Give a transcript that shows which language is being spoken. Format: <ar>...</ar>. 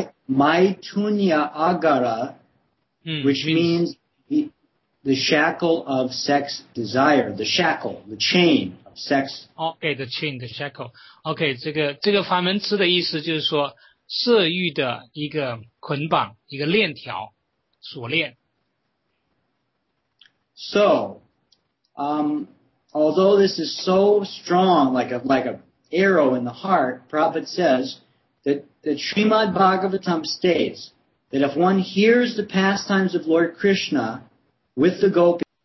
<en>Maitunya agara, which means the shackle of sex desire, the shackle, the chain of sex. Okay, the chain, the shackle.</en> <zh>Okay, 这个梵文词的意思就是说色欲的一个捆绑，一个链条，锁链。</zh> <en>So, although this is so strong, like an arrow in the heart, Prabhupada says that Srimad Bhagavatam states that if one hears the pastimes of Lord Krishna with the gopi.</en>